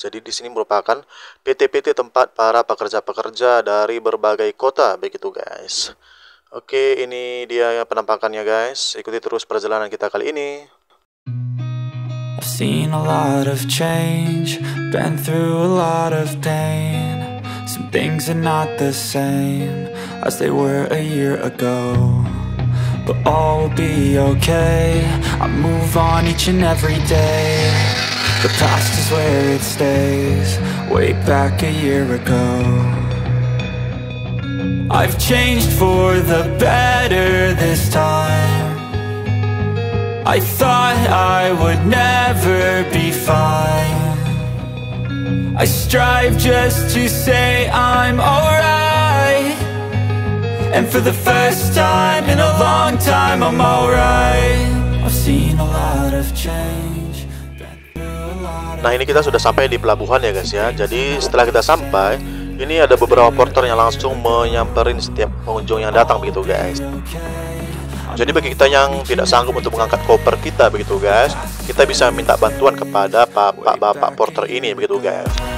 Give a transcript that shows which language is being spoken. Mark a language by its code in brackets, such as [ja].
[id] Jadi di sini merupakan PT-PT tempat para pekerja-pekerja dari berbagai kota begitu guys. Oke, ini dia penampakannya guys. Ikuti terus perjalanan kita kali ini. [en] I've seen a lot of change, been through a lot of pain. Some things are not the same as they were a year ago. But all will be okay, I move on each and every day. The past is where it stays, way back a year ago. I've changed for the better this time. I thought I would never be fine. I strive just to say I'm alright. And for the first time in a long time, I'm alright. I've seen a lot of change. [id] Nah, ini kita sudah sampai di pelabuhan ya guys ya. Jadi setelah kita sampai, ini ada beberapa porter yang langsung menyamperin setiap pengunjung yang datang begitu guys. Jadi bagi kita yang tidak sanggup untuk mengangkat koper kita begitu guys, kita bisa minta bantuan kepada bapak-bapak porter ini begitu guys.